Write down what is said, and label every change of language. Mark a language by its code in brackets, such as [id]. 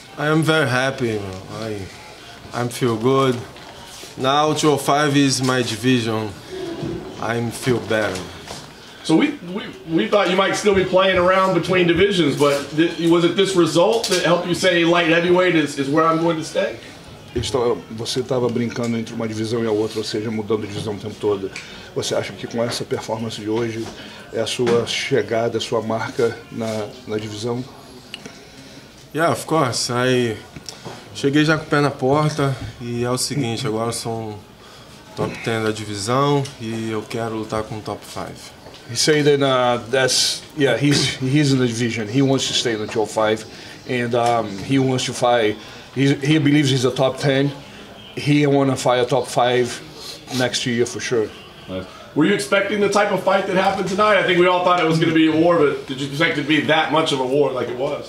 [en] I am very happy. I feel good. Now 205 is my division. I feel better. So we thought you might still be playing around between divisions, but was it this result that helped you say light heavyweight is where I'm going to stay? [pt] Você estava brincando entre uma divisão e a outra, ou seja, mudando de divisão o tempo todo. Você acha que com essa performance de hoje é a sua chegada, a sua marca na divisão? [en] Yeah, of course. [pt] Aí cheguei já com o pé na porta e é o seguinte, agora eu sou um top 10 da divisão e eu quero lutar com o top 5. [en] He said that he's in the division. He wants to stay in the 205 and he wants to fight. He believes he's a top 10. He want to fight a top 5 next year for sure. Nice. Were you expecting the type of fight that happened tonight? I think we all thought it was going to be a war, but did you expect it to be that much of a war like it was?